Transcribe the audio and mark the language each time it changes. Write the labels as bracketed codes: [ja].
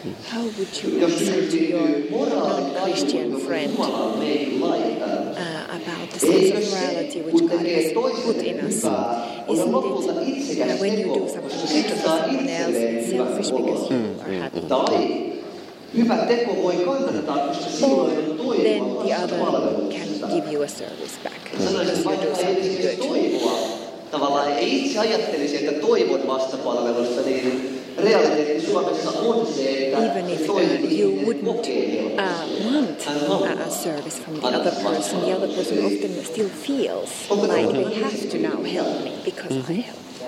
[en] How would you answer to your Christian friend about the sense of morality which God has put in us? Isn't it when you do something good to someone else, it's selfish because you are happy? Or then the other can give you a service back because you do something good. [fi] Tavallaan ei itse ajattelisi, että toivon vastapalvelusta, niin [en] even if you wouldn't want a service from the other person often still feels like they have to now help me because I help.